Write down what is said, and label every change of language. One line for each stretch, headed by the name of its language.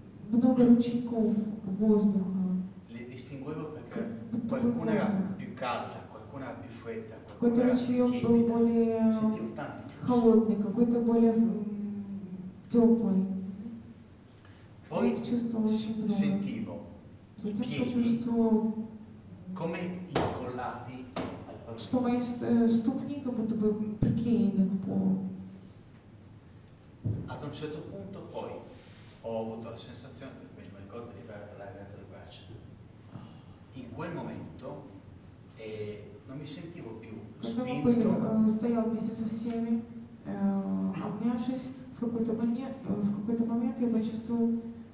Russian: Много ручейков воздуха.
Italian: Le distinguevo perché qualcuna era più calda, qualcuna era più fredda, qualcuna era più timida. Sentivo tanti
Russian: холодный, какой-то более теплый.
Italian: Poi sentivo i piedi come incollati al posto.
Russian: Что мои ступни как будто бы приклеены к полу.
Italian: Ad un certo punto poi ho avuto la sensazione, mi ricordo di aver allargato le braccia. In quel momento non mi sentivo più spinto. Stavo insieme con tutti, abbracciandomi, in un certo momento ho sentito...